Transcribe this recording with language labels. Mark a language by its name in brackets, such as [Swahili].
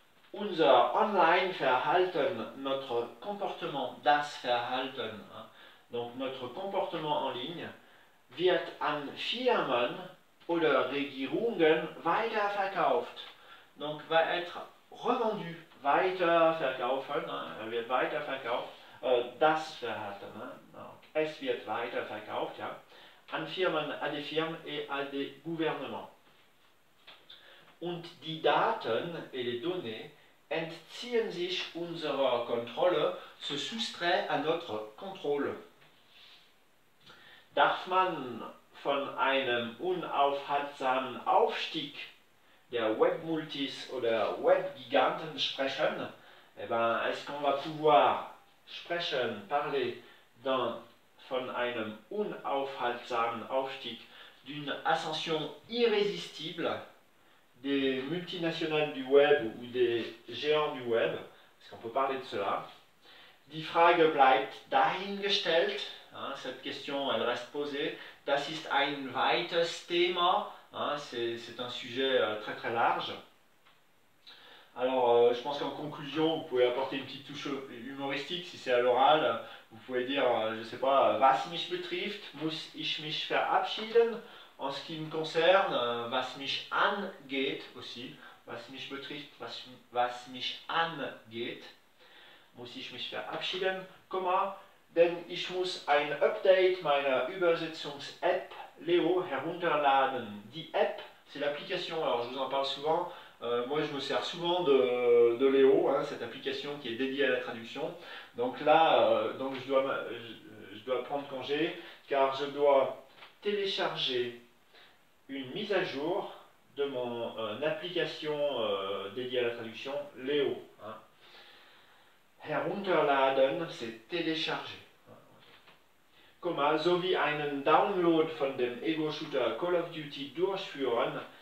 [German] Unser online Verhalten, [French] notre comportement, [German] das Verhalten, hein, [French] donc notre comportement en ligne, [German] wird an Firmen oder Regierungen weiterverkauft. [French] Donc va être revendu, [German] weiterverkaufen, hein, wird weiterverkauft, das Verhalten, hein, donc es wird weiterverkauft, ja. An Firmen, [French] à des firmes et à des gouvernements. [German] Und die Daten, [French] et les données, [German] entziehen sich unserer Kontrolle, [French] se soustrait à notre contrôle. [German] Darf man von einem unaufhaltsamen Aufstieg der Webmultis oder Webgiganten sprechen? [French] Eh bien, est-ce qu'on va pouvoir [German] sprechen, [French] parler d'un [German] von einem unaufhaltsamen Aufstieg, [French] d'une ascension irrésistible des multinationales du web ou des géants du web. Est-ce qu'on peut parler de cela? [German] Die Frage bleibt dahingestellt. [French] Hein, cette question, elle reste posée. [German] Das ist ein weites Thema. [French] Hein, c'est un sujet très très large. Alors, je pense qu'en conclusion, vous pouvez apporter une petite touche humoristique si c'est à l'oral. Vous pouvez dire, je ne sais pas, [German] was mich betrifft, muss ich mich verabschieden. [French] En ce qui me concerne, [German] was mich angeht aussi. Was mich betrifft, was mich angeht, muss ich mich verabschieden. [French] Comment? [German] Denn ich muss ein Update meiner Übersetzungs-App Leo herunterladen. Die App, [French] c'est l'application, alors je vous en parle souvent. Moi, je me sers souvent de Léo, hein, cette application qui est dédiée à la traduction. Donc là, je dois prendre congé car je dois télécharger une mise à jour de mon application dédiée à la traduction, Léo. Hein. [German] Herunterladen, [French] c'est télécharger. Comme [German] so wie einen Download von dem Ego-Shooter Call of Duty durchführen.